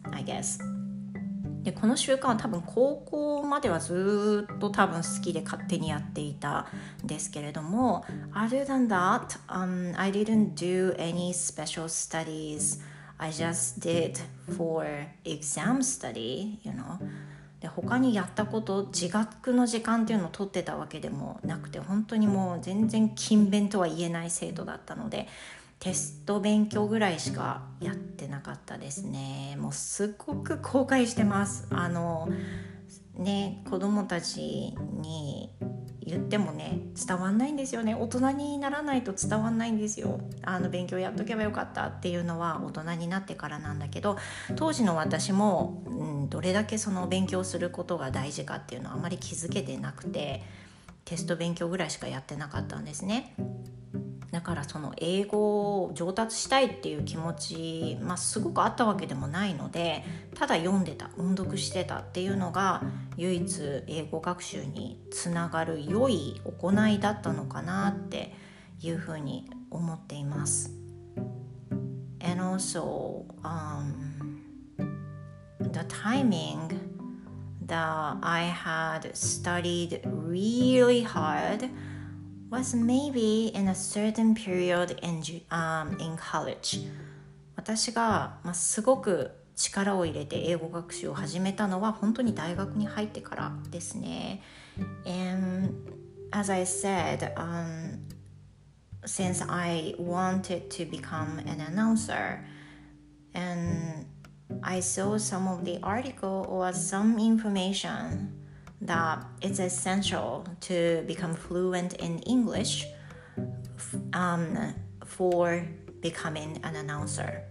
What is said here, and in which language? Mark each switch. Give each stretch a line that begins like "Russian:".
English: I guess.
Japanese: で、この習慣は多分高校まではずっと多分好きで勝手にやっていたんですけれども、
English: Other than that, I didn't do any special studies. I just did for exam study, you know.
Japanese: で、他にやったこと、自学の時間っていうのを取ってたわけでもなくて、本当にもう全然勤勉とは言えない生徒だったので、テスト勉強ぐらいしかやってなかったですね。もうすごく後悔してます。ね、子供たちに言ってもね、伝わんないんですよね。大人にならないと伝わんないんですよ。勉強やっとけばよかったっていうのは大人になってからなんだけど、当時の私も、どれだけその勉強することが大事かっていうのはあまり気づけてなくて、テスト勉強ぐらいしかやってなかったんですね。だからその英語を上達したいっていう気持ち、まあ、すごくあったわけでもないので、ただ読んでた、音読してたっていうのが唯一英語学習につながる良い行いだったのかなっていうふうに思っています。
English: And also、the timing that I had studied really hardwas maybe in a certain period in college.
Japanese: 私が、まあ、すごく力を入れて英語学習を始めたのは本当に大学に入ってからですね。
English: And as I said, since I wanted to become an announcer, and I saw some of the article or some informationthat it's essential to become fluent in English for becoming an announcer.